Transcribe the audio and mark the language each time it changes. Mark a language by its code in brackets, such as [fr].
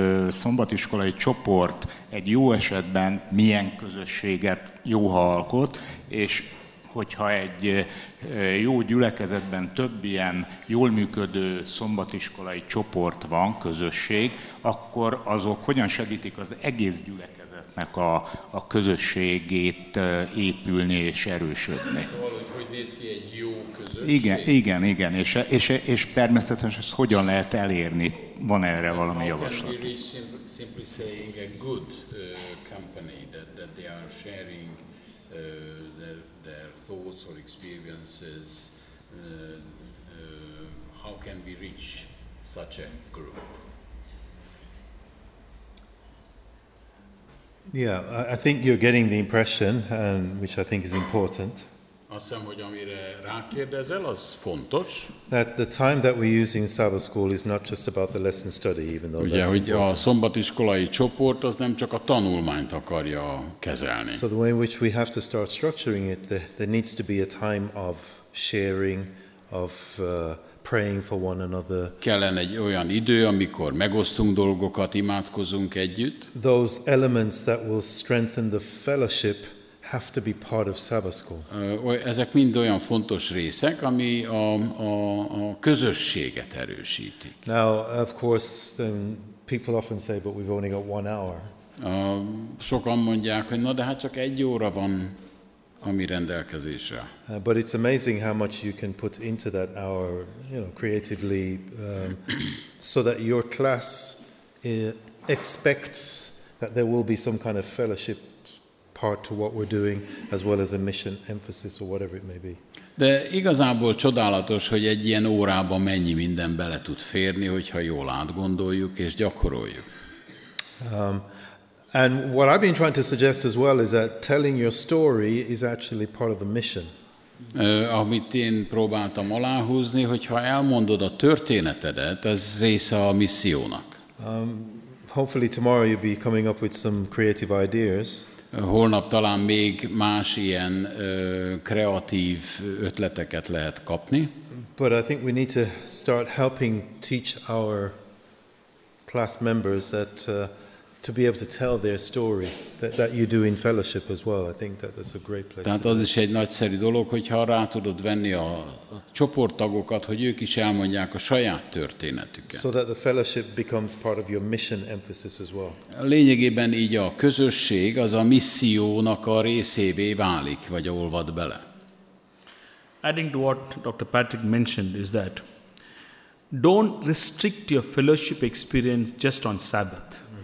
[hu] szombatiskolai csoport egy jó esetben milyen közösséget jó alkot, és hogyha egy jó gyülekezetben több ilyen jól működő szombatiskolai csoport van, közösség, akkor azok hogyan segítik az egész gyülekezetnek a közösségét épülni és erősödni? Néz ki egy jó közösség. Igen, és természetesen ezt hogyan lehet elérni? van erre valami javaslat? [en] How can we reach simply saying a good company that they are sharing their thoughts or experiences? How can we reach such a group? Yeah, I think you're getting the impression, and which I think is important. [hu] Azt hiszem, hogy amire rákérdezel, az fontos. [en] That the time that we're using in Sabbath school is not just about the lesson study, even though. [hu] Ugye, hogy a szombatiskolai csoport az nem csak a tanulmányt akarja kezelni. [en] So the way in which we have to start structuring it, there needs to be a time of sharing, of praying for one another. [hu] Kellene egy olyan idő, amikor megosztunk dolgokat, imádkozunk együtt. [en] Those elements that will strengthen the fellowship have to be part of Sabbath school. [hu] Ezek mind olyan fontos részek, ami a közösséget erősítik. [en] Now, of course, then people often say, but we've only got one hour. [hu] Sokan mondják, hogy na, de hát csak egy óra van a mi rendelkezésre. [en] But it's amazing how much you can put into that hour, you know, creatively, so that your class expects that there will be some kind of fellowship part to what we're doing, as well as a mission emphasis or whatever it may be. [hu] De igazából csodálatos, hogy egy ilyen órába mennyi minden bele tud férni, hogyha jól átgondoljuk és gyakoroljuk. [en] And what I've been trying to suggest as well is that telling your story is actually part of the mission. [hu] Amit én próbáltam aláhúzni, hogyha elmondod a történetedet, ez része a missziónak. [en] Hopefully tomorrow you'll be coming up with some creative ideas. [hu] Holnap talán még más ilyen kreatív ötleteket lehet kapni. [en] But I think we need to start helping teach our class members that to be able to tell their story that you do in fellowship as well. I think that's a great place. [hu] Tehát az is egy nagyszerű dolog, hogyha rá tudod venni a csoporttagokat, hogy ők is elmondják a saját történetüket. [en] So that the fellowship becomes part of your mission emphasis as well. [hu] Lényegében így a közösség az a missziónak a részévé válik, vagy olvad bele. [en] Adding to what Dr. Patrick mentioned is that don't restrict your fellowship experience just on Sabbath.